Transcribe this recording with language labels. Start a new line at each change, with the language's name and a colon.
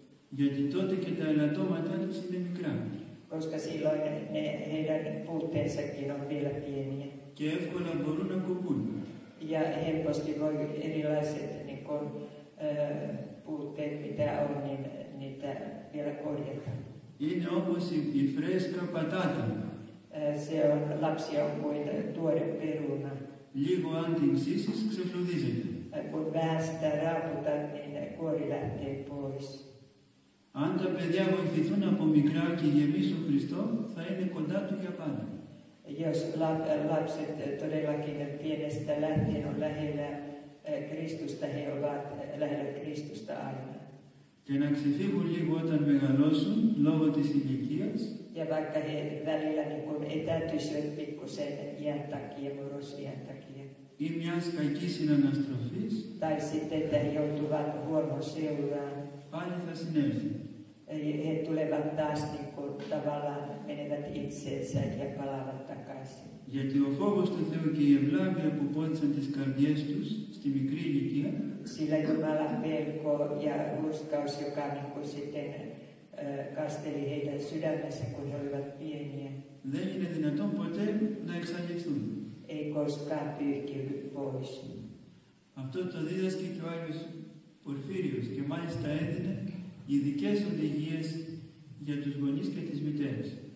Greek: Γιατί τότε και τα ελαττώματά τους είναι μικρά.
Finnish: Koska silloin ne, heidän puutteensakin on vielä pieniä.
Greek: Και εύκολα μπορούν να κοπούν.
Finnish: Ja helposti voi erilaiset niin kun, puutteet, mitä on, niin niitä vielä korjata.
Greek: Είναι όπως η φρέσκα πατάτα.
Finnish: Se on, lapsi on kuin tuore peruna.
Greek: Λίγο αν την ψήσεις, ξεφλουδίζεται.
Finnish: Kun vähän sitä raaputat, niin kuori lähtee pois.
Greek: Αν τα παιδιά βοηθηθούν από μικρά και γεμίσουν Χριστό, θα είναι κοντά Του για πάντα.
Finnish: Jos lapset todellakin pienestä lähtien on lähellä Χριστούστα, he ovat lähellä Χριστούστα aina.
Greek: Και να ξεφύγουν λίγο όταν μεγαλώσουν, λόγω της ηλικίας.
Finnish: Ja vaikka he välillä niin etätyisivät pikkusen iän takia, murrosiän takia.
Greek: Ή μιας κακής συναναστροφής.
Finnish: Tai sitten, että he joutuvat huonoon seuraan.
Greek: Πάλι θα συνέλθουν.
Finnish: He tulevat taas niin kuin tavallaan menevät itseensä ja palaavat takaisin.
Greek: Γιατί ο φόβος του Θεού και η ευλάβεια που πόντισαν τις καρδιές τους στη μικρή ηλικία.
Finnish: Sillä Jumalan pelko ja ruskaus, joka niin kuin sitten kasteli heidän sydämessä, kun he olivat pieniä.
Greek: Δεν είναι δυνατόν ποτέ να εξαλειφθούν.
Finnish: Ei koskaan pyyhkiydy pois.
Greek: Αυτό το δίδασκε και ο Άγιος Πορφύριος και μάλιστα έδινε ειδικές οδηγίες για τους γονείς και τις μητέρες.